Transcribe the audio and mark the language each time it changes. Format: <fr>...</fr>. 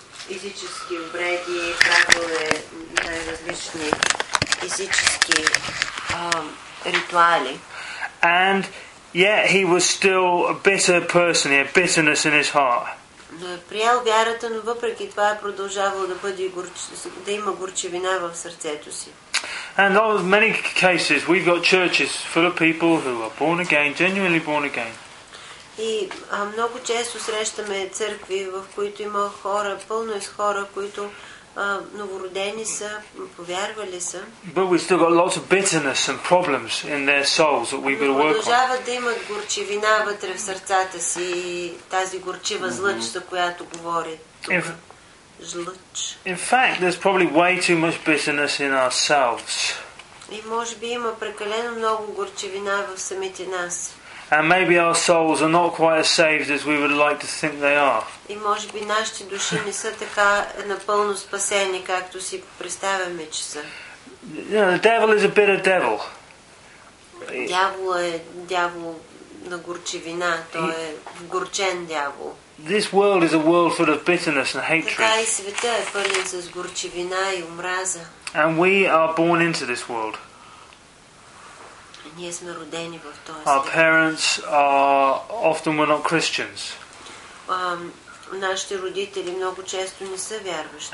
<bg>Физически обреди, правила, най-различни физически ритуали.</bg> <en>And yet he was still a bitter person, he had bitterness in his heart.</en> <bg>Но е приял вярата, но въпреки това е продължавал да бъде да има горчевина в сърцето си.</bg> <en>And in many cases we've got churches full of people who are born again, genuinely born again.</en> <bg>И много често срещаме църкви, в които има хора, пълно е с хора, които новородени са, повярвали са.</bg> <en>But we still got lots of bitterness and problems in their souls that we've got to work on.</en> <bg>Продължават да имат горчевина вътре в сърцата си, тази горчива злъч, за която говори тук. Злъч.</bg> <en>In fact, there's probably way too much bitterness in ourselves.</en> <bg>И може би има прекалено много горчевина в самите нас.</bg> <en>And maybe our souls are not quite as saved as we would like to think they are.</en> <bg>И може би нашите души не са така напълно спасени, както си представяме, че са.</bg> <en>You know, the devil is a bitter devil.</en> <bg>Дявол е дявол на горчевина. Той е горчен дявол.</bg> <en>This world is a world full of bitterness and hatred.</en> <bg>Така и света е пълен с горчевина и омраза.</bg> <en>And we are born into this world.</en> <bg>Ние сме родени в този свят.</bg> <en>Our parents are often were not Christians.</en> <bg>Нашите родители много често не са вярващи.</bg>